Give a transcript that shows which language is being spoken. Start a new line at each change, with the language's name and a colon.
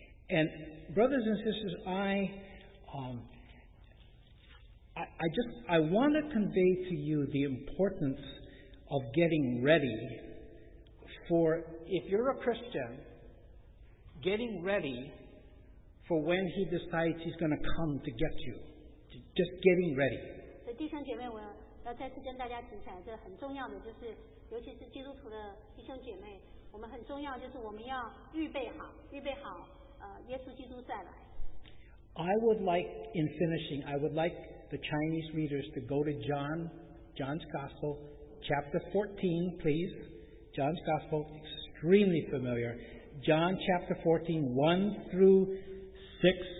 English: And brothers and sisters, I want to convey to you the importance of getting ready for, if you're a Christian, getting ready for when he decides he's going to come to get you. Just getting ready.
Chinese: 弟兄姐妹，我要再次跟大家提醒，这很重要的，就是尤其是基督徒的弟兄姐妹，我们很重要，就是我们要预备好，耶稣基督再来。
English: I would like, in finishing, I would like the Chinese readers to go to John's Gospel, chapter 14, please. John's Gospel, extremely familiar. John chapter 14, 1 through 6.